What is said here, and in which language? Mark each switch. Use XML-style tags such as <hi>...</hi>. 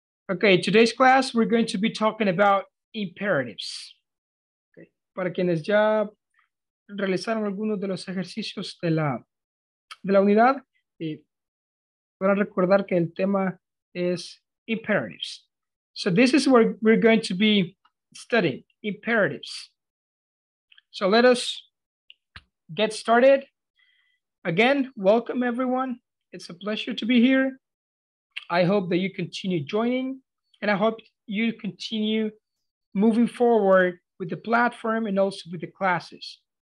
<en>Okay, today's class, we're going to be talking about imperatives. Okay.</en> <es>Para quienes ya realizaron algunos de los ejercicios de la unidad, van a recordar que el tema es imperatives.</es> <en>So this is where we're going to be studying, imperatives. So let us get started. Again, welcome everyone. It's a pleasure to be here. I hope that you continue joining and I hope you continue moving forward with the platform and also with the classes.</en>